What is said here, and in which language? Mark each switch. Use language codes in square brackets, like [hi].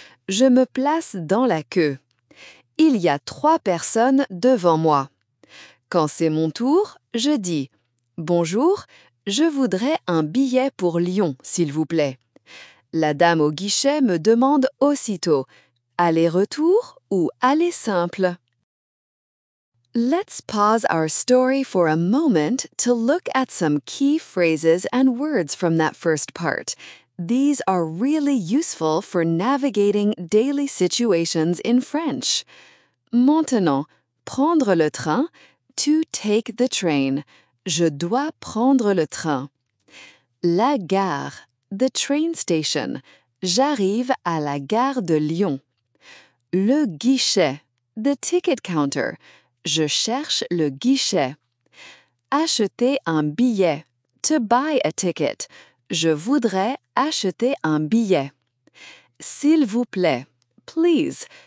[fr] Je me place dans la queue. Il y a trois personnes devant moi. Quand c'est mon tour, je dis « bonjour ». Je voudrais un billet pour Lyon, s'il vous plaît. La dame au guichet me demande aussitôt, aller-retour ou aller simple? [en] Let's pause our story for a moment to look at some key phrases and words from that first part. These are really useful for navigating daily situations in French. [fr] Maintenant, prendre le train, [en] to take the train. [fr] Je dois prendre le train. [en] La gare, the train station. [fr] J'arrive à la gare de Lyon. Le guichet, [en] the ticket counter. [fr] Je cherche le guichet. Acheter un billet, [en] to buy a ticket. [fr] Je voudrais acheter un billet. S'il vous plaît, please.